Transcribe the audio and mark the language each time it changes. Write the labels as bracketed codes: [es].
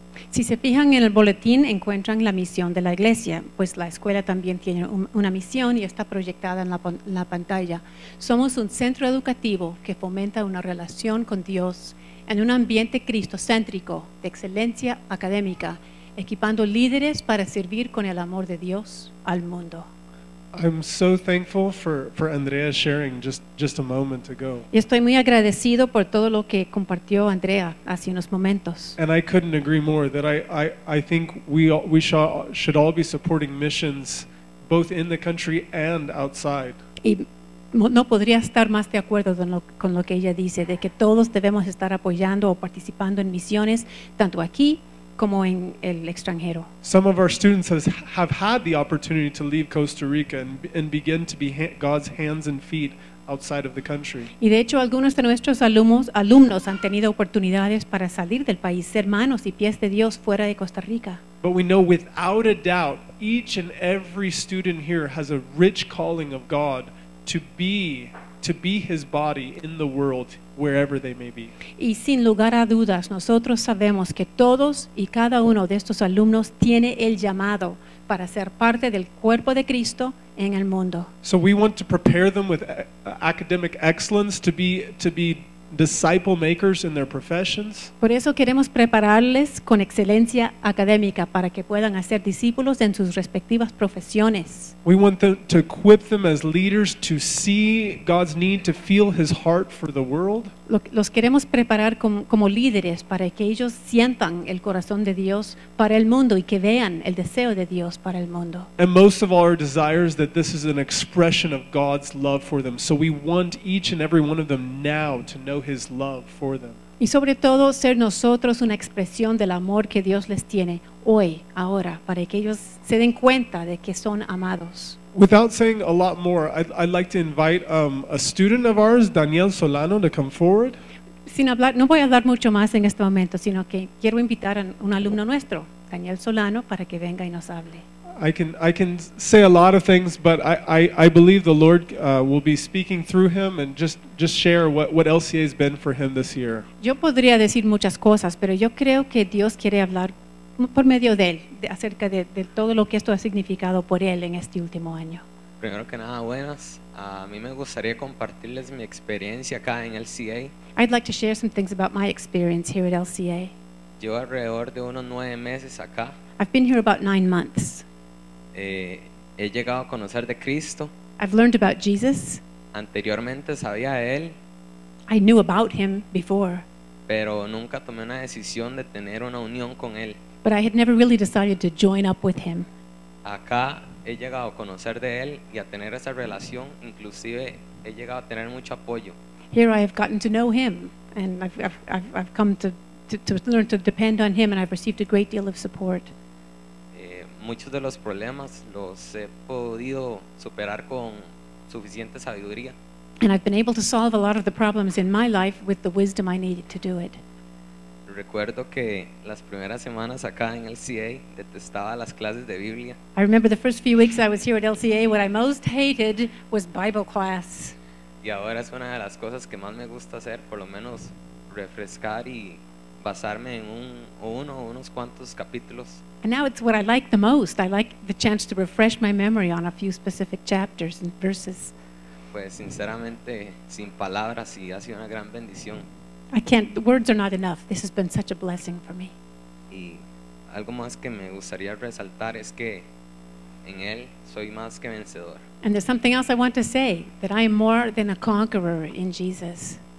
[es] Si se fijan en el boletín, encuentran la misión de la iglesia, pues la escuela también tiene una misión y está proyectada en la pantalla. Somos un centro educativo que fomenta una relación con Dios en un ambiente cristocéntrico de excelencia académica, equipando líderes para servir con el amor de Dios al mundo. [en] I'm so thankful for Andrea sharing just a moment ago. [es] Y estoy muy agradecido por todo lo que compartió Andrea hace unos momentos. [en] And I couldn't agree more that I think we should all be supporting missions both in the country and outside. [es] Y no podría estar más de acuerdo con lo que ella dice, de que todos debemos estar apoyando o participando en misiones tanto aquí como en el extranjero. [en] Some of our students have had the opportunity to leave Costa Rica and begin to be God's hands and feet outside of the country. [es] Y de hecho algunos de nuestros alumnos han tenido oportunidades para salir del país, ser manos y pies de Dios fuera de Costa Rica. [en] But we know without a doubt each and every student here has a rich calling of God to be his body in the world wherever they may be. [es] Y sin lugar a dudas, nosotros sabemos que todos y cada uno de estos alumnos tiene el llamado para ser parte del cuerpo de Cristo en el mundo. [en] So we want to prepare them with academic excellence to be disciple makers in their professions. [es] Por eso queremos prepararles con excelencia académica para que puedan hacer discípulos en sus respectivas profesiones. [en] We want them to equip them as leaders to see God's need to feel His heart for the world. [es] Los queremos preparar como líderes para que ellos sientan el corazón de Dios para el mundo y que vean el deseo de Dios para el mundo. [en] And most of all, our desire is that this is an expression of God's love for them. So we want each and every one of them now to know His love for them. [es] Y sobre todo ser nosotros una expresión del amor que Dios les tiene hoy, ahora, para que ellos se den cuenta de que son amados. [en] Without saying a lot more, I'd like to invite a student of ours, Daniel Solano, to come forward. [es] Sin hablar, no voy a hablar mucho más en este momento, sino que quiero invitar a un alumno nuestro, Daniel Solano, para que venga y nos hable. [en] I can say a lot of things, but I believe the Lord will be speaking through him and just share what LCA has been for him this year. [es] Yo podría decir muchas cosas, pero yo creo que Dios quiere hablar por medio de él, acerca de todo lo que esto ha significado por él en este último año. Primero que nada, buenas. A mí me gustaría compartirles mi experiencia acá en LCA. [en] I'd like to share some things about my experience here at LCA. [es] Yo alrededor de unos 9 meses acá. [en] I've been here about 9 months. [es] He llegado a conocer de Cristo. [en] I've learned about Jesus. [es] Anteriormente sabía de él. [en] I knew about him before. [es] Pero nunca tomé una decisión de tener una unión con él. [en] But I had never really decided to join up with him. [es] Acá he llegado a conocer de él y a tener esa relación, inclusive he llegado a tener mucho apoyo. [en] Here I have gotten to know him and I've come to learn to depend on him and I've received a great deal of support. [es] Muchos de los problemas los he podido superar con suficiente sabiduría. [en] And I've been able to solve a lot of the problems in my life with the wisdom I needed to do it. [es] Recuerdo que las primeras semanas acá en LCA detestaba las clases de Biblia. [en] I remember the first few weeks I was here at LCA, what I most hated was Bible class. [es] Y ahora es una de las cosas que más me gusta hacer, por lo menos refrescar y basarme en unos cuantos capítulos. [en] And now it's what I like the most. I like the chance to refresh my memory on a few specific chapters and verses. [es] Pues sinceramente, sin palabras, sí, ha sido una gran bendición. [en] I can't, the words are not enough. This has been such a blessing for me. [es] Y algo más que me gustaría resaltar es que en él soy más que vencedor. [en] And there's something else I want to say, that I am more than a conqueror in Jesus.